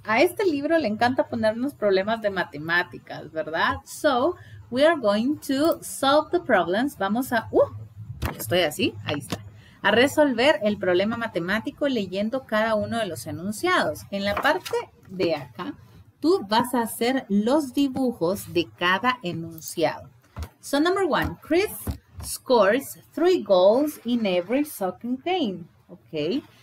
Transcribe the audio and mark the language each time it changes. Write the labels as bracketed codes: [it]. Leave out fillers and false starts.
[es] A este libro le encanta ponernos problemas de matemáticas, ¿verdad? [en] So, we are going to solve the problems. [es] Vamos a... estoy así. Ahí está. A resolver el problema matemático leyendo cada uno de los enunciados. En la parte de acá, tú vas a hacer los dibujos de cada enunciado. [en] So, number one, Chris... scores 3 goals in every soccer game. Okay.